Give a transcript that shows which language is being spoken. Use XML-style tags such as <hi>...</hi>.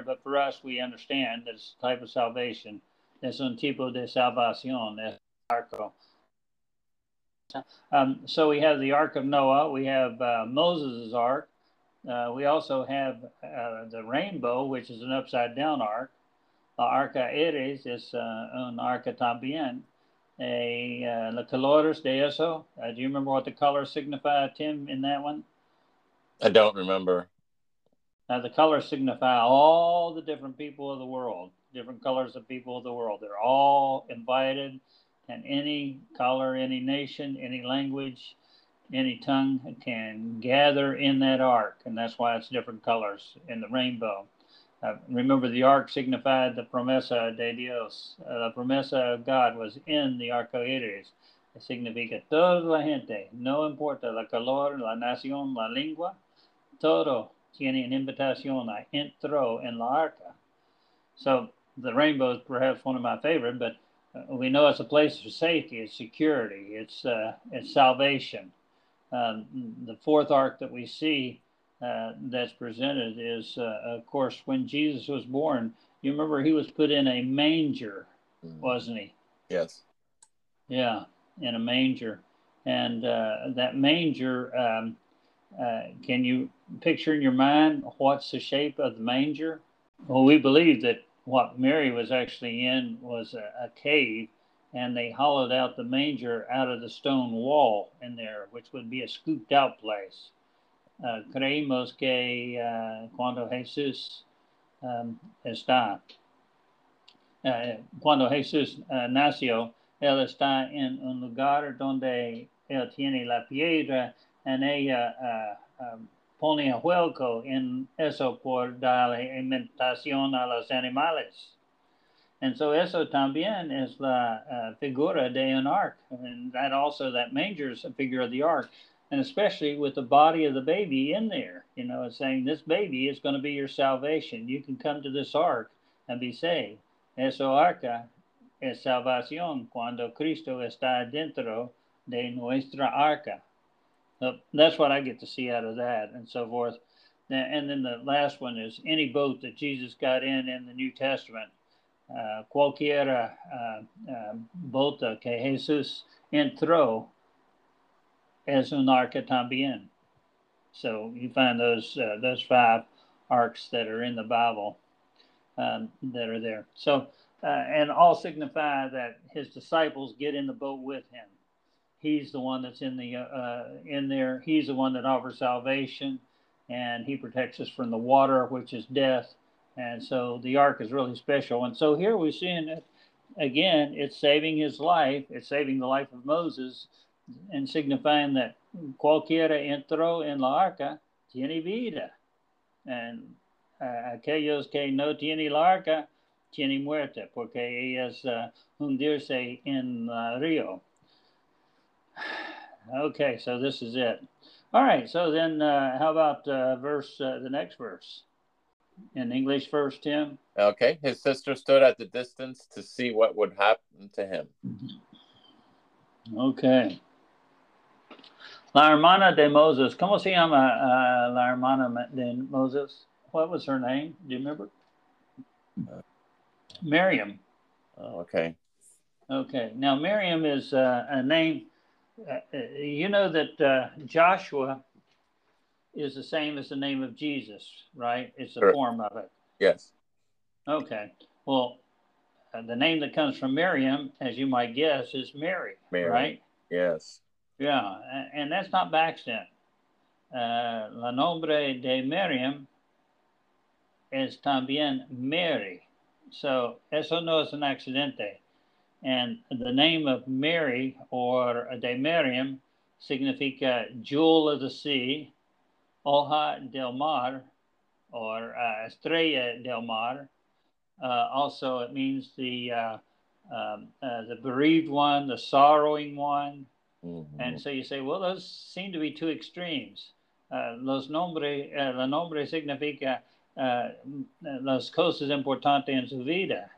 <en>But for us, we understand that it's a type of salvation.</en> <es>Es un tipo de salvación. Es arco.</es> <en>So we have the Ark of Noah. We have Moses' Ark. We also have the rainbow, which is an upside-down ark.</en> <es>La Arca Iris es un arca también. La colores de eso.</es> <en>Do you remember what the colors signify, Tim, in that one? I don't remember. Now, the colors signify all the different people of the world, different colors of people of the world. They're all invited, and any color, any nation, any language, any tongue can gather in that ark, and that's why it's different colors in the rainbow. Remember, the ark signified the</en> <es>promesa de Dios.</es> <en>The promesa of God was in the arco iris.</en> <es>It significa toda la gente, no importa la color, la nación, la lengua. Todo tiene una invitación a entro en la arca.</es> <en>So the rainbow is perhaps one of my favorite, but we know it's a place of safety, it's security, it's salvation. The fourth ark that we see that's presented is, of course, when Jesus was born. You remember he was put in a manger, wasn't he? Yes. Yeah, in a manger. And that manger... can you picture in your mind what's the shape of the manger? Well, we believe that what Mary was actually in was a cave, and they hollowed out the manger out of the stone wall in there, which would be a scooped out place.</en> <es>Creemos que cuando Jesús está, cuando Jesús nació, él está en un lugar donde él tiene la piedra. And ella pone a hueco en eso por darle alimentación a los animales.</es> <en>And so</en> <es>eso también es la figura de un ark.</es> <en>And that also, that manger is a figure of the ark. And especially with the body of the baby in there, you know, saying this baby is going to be your salvation. You can come to this ark and be saved.</en> <es>Eso arca es salvación cuando Cristo está dentro de nuestra arca.</es> <en>That's what I get to see out of that and so forth. And then the last one is any boat that Jesus got in the New Testament.</en> <es>Cualquiera bota que Jesús entró es un arca también.</es> <en>So you find those five arcs that are in the Bible that are there. So and all signify that his disciples get in the boat with him. He's the one that's in the in there. He's the one that offers salvation, and he protects us from the water, which is death. And so the ark is really special. And so here we're seeing it again. It's saving his life. It's saving the life of Moses, and signifying that</en> <es>cualquiera entró en la arca tiene vida, and aquellos que no tiene la arca tiene muerte, porque ellas hundirse en río.</es> <en>Okay, so this is it. All right, so then how about the next verse? In English first, Tim? Okay, his sister stood at the distance to see what would happen to him.</en> <es>Okay. La hermana de Moses. ¿Cómo se llama la hermana de Moses?</es> <en>What was her name? Do you remember? Miriam. Okay. Okay, now Miriam is a name... you know that Joshua is the same as the name of Jesus, right? It's a form of it. Yes. Okay. Well, the name that comes from Miriam, as you might guess, is Mary. Mary. Right? Yes. Yeah. And that's not by accident.</en> <es>La nombre de Miriam es también Mary. So eso no es un accidente.</es> <en>And the name of Mary, or</en> <es>de Miriam, significa</es> <en>jewel of the sea,</en> <es>hoja del mar, or estrella del mar.</es> <en>Also, it means the bereaved one, the sorrowing one. Mm-hmm. And so you say, well, those seem to be two extremes.</en> <es>Los nombres, la nombre significa las cosas importantes en su vida.</es>